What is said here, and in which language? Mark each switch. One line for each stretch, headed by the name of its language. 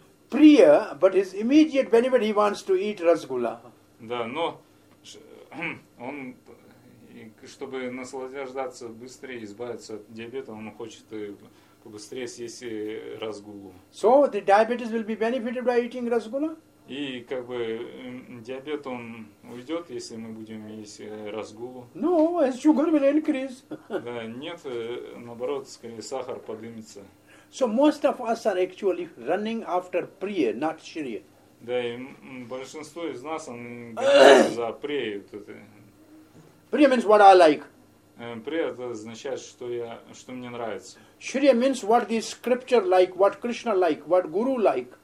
English: But his immediate benefit, he wants to eat Rasgulla.
Russian: Да, но он, чтобы наслаждаться быстрее, избавиться от диабета, он хочет побыстрее съесть Rasgulla.
English: So the diabetes will be benefited by eating Rasgulla?
Russian: И как бы диабет он уйдет, если мы будем есть Rasgulla.
English: No, his sugar will increase.
Russian: Да, нет, наоборот, скорее сахар поднимется.
English: So most of us are actually running after priya, not shri.
Russian: Да, и большинство из нас, они за прею.
English: Прея means what I like.
Russian: Прея это означает, что мне нравится.
English: Shri means what the scripture like, what Krishna like, what Guru like.